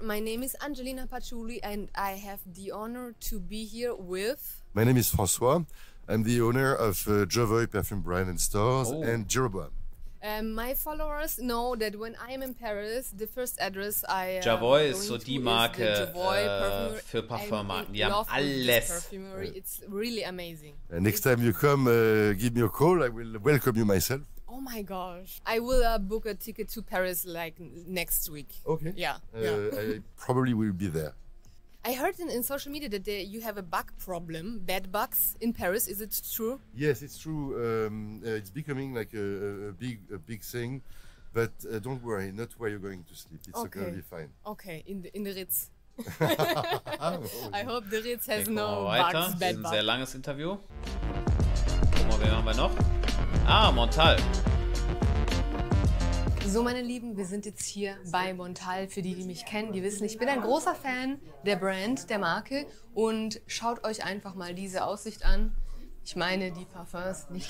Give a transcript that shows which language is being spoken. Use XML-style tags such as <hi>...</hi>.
<en>My name is Angelina Patchouli and I have the honor to be here with... My name is François. I'm the owner of Jovoy Perfume Brand and Stores and Jeroboam. My followers know that when I am in Paris, the first address I am</en> <de>Jovoy ist</de> <en>going</en> <de>so die Marke für Parfummarken. Die haben alles.</de> <en>It's really amazing. And next time you come, give me a call. I will welcome you myself. Oh my gosh! I will book a ticket to Paris like next week. Okay. Yeah. I probably will be there. I heard in social media that you have a bug problem, bad bugs in Paris. Is it true? Yes, it's true. It's becoming like a big thing. But don't worry, not where you're going to sleep. It's okay. Gonna be fine. Okay, in the Ritz. I hope the Ritz has no bugs, bad bugs.</en> <de>Ein sehr langes Interview. Guck mal, wen haben wir noch? Ah, Montal. So, meine Lieben, wir sind jetzt hier bei Montal. Für die, die mich kennen, die wissen, ich bin ein großer Fan der Brand, der Marke. Und schaut euch einfach mal diese Aussicht an. Ich meine die Parfums, nicht</de>